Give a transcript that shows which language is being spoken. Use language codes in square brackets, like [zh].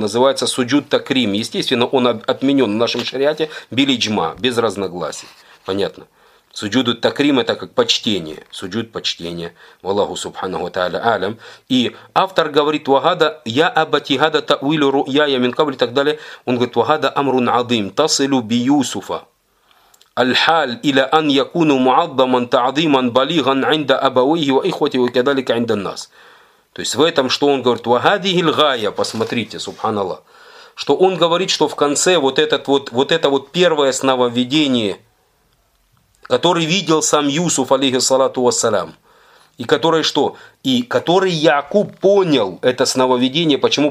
[ru] Называется суджуд такрим. Естественно, он отменен в нашем шариате билиджма, без разногласий. Понятно. Суджуд такрим – это как почтение. Суджуд почтения. Валлаху Субхану ва Тааля алям. И автор говорит, «Вагада я абати гада тауилю руяя мин кабли» и так далее. Он говорит, «Вагада амрун адым тасылю би Юсуфа». [ar] الحال إلى أن يكون معظما تعظيما بليغا عند أبويه وإخوته وكذلك عند الناس. [ru] То есть в этом, что он говорит, [ar] وهذه الغاية, [ru] посмотрите, سبحان الله, что он говорит, что в конце вот это первое сновидение, которое видел сам Юсуф, алейхиссалату вассалям, и которое что? И который Якуб понял это сновидение. Почему?